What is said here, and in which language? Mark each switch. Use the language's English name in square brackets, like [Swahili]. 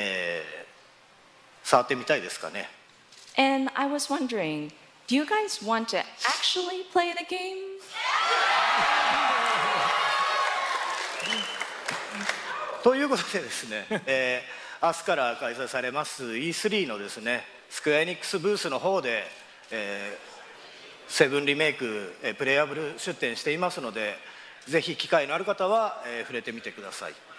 [Japanese] でですね、そういうわけなので、皆さんぜひ触れてみたいんじゃないかなと思いましてですね、実際に触ってみたいですかね。 [English] And I was wondering, do you guys want to actually play the game? [Japanese] ということでですね、明日から開催されます E3 のですね、Square Enix ブースの方で、7 リメイク、プレイアブル出展していますので、ぜひ機会のある方は、触れてみてください。